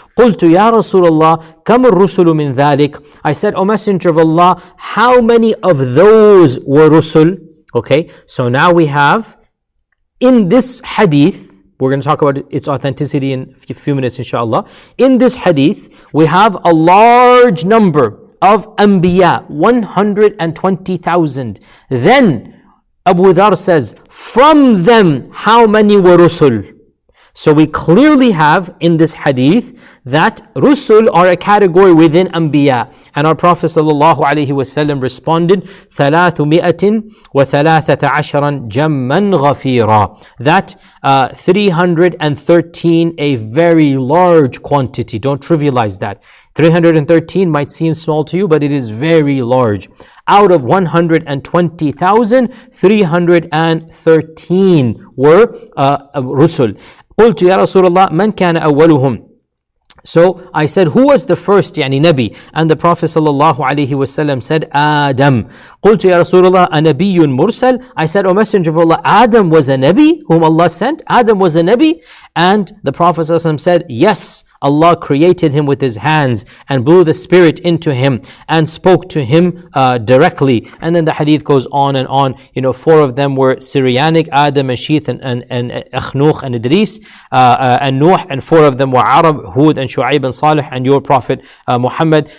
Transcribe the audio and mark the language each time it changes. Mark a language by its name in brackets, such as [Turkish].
[Arabic] قلت يا رسول الله كم الرسل من ذلك. [English] I said, O Messenger of Allah, how many of those were rusul? Okay, so now we have in this hadith, we're going to talk about its authenticity in a few minutes, inshallah. In this hadith, we have a large number of anbiya, 120,000. Then Abu Dharr says, from them, how many were rusul? So we clearly have in this hadith that rusul are a category within anbiya. And our Prophet sallallahu alayhi wasallam responded, 313 [Arabic] jamman ghafira. [English] That 313, a very large quantity. Don't trivialize that. 313 might seem small to you, but it is very large. Out of 120,000, 313 were rusul. [Arabic] قلت يا رسول الله من كان أولهم. [English] So I said, who was the first, [Arabic] يعني نبي? [English] And the Prophet [Arabic] صلى الله عليه وسلم [English] said, [Arabic] آدم. قلت يا رسول الله أنبي مرسل. [English] I said, O Messenger of Allah, آدم was a نبي whom Allah sent. آدم was a نبي. And the Prophet [Arabic] صلى الله عليه وسلم [English] said, yes, Allah created him with his hands and blew the spirit into him and spoke to him directly. And then the hadith goes on and on. You know, four of them were Syrianic, Adam, Ashith, and Akhnuch, and Idris, and Nuh, and four of them were Arab, Hud, and Shu'aib, and Salih, and your Prophet Muhammad.